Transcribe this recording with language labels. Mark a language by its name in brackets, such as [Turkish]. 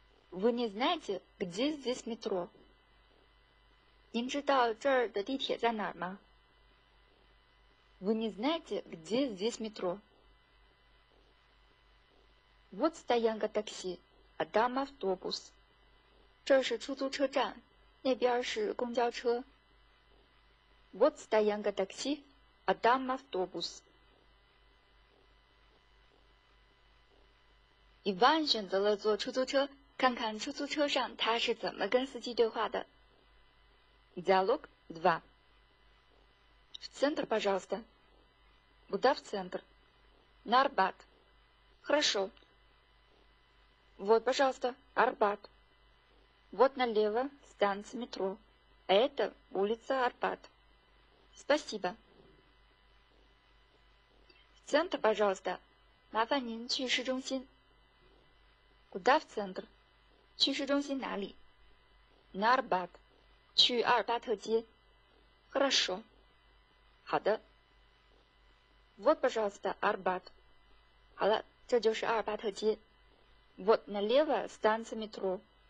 [Russian] Вы не знаете, где здесь метро? [Chinese] 您知道这儿的地铁在哪儿吗？ [Russian] Вы не знаете, где здесь метро? Вот стоянка такси, а там автобус. [Chinese] 这是出租车站，那边是公交车。 [Russian] Вот стоянка такси, а там автобус. [Chinese] Иван 选择了坐出租车，看看出租车上他是怎么跟司机对话的。 [Russian] Диалог два. В центр, пожалуйста. Куда в центр? На Арбат. Хорошо. Вот, пожалуйста, Арбат. Вот налево станция метро, а это улица Арбат. Спасибо. В центр, пожалуйста. [Chinese] 麻烦您去市中心。 [Russian] Куда в центр? [Chinese] 去市中心哪里？ [Russian] На Арбат. [Chinese] 去阿尔巴特街。 [Russian] Хорошо. [Chinese] 好的。 [Russian] Вот, пожалуйста, Арбат. [Chinese] 好了，这就是阿尔巴特街。 [Russian] Вот налево станция метро.